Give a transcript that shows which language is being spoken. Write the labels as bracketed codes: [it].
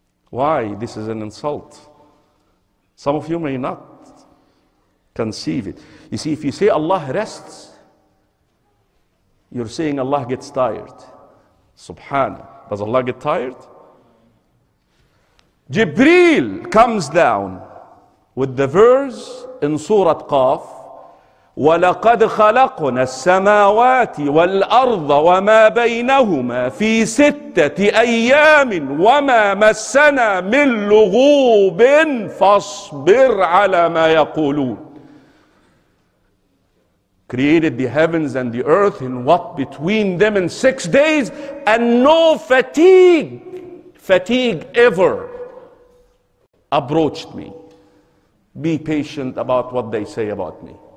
[en] Why? This is an insult. Some of you may not conceive it. You see, if you say Allah rests, you're saying Allah gets tired. Subhana. Does Allah get tired? Jibreel comes down with the verse in Surah Qaf, [ar] وَلَقَدْ خَلَقْنَا السَّمَاوَاتِ وَالْأَرْضَ وَمَا بَيْنَهُمَا فِي سِتَّةِ أَيَّامٍ وَمَا مَسَّنَا مِنْ لُغُوبٍ فَاصْبِرْ عَلَى مَا يَقُولُونَ. [en] Created the heavens and the earth in what between them in 6 days, and no fatigue ever approached me. Be patient about what they say about me.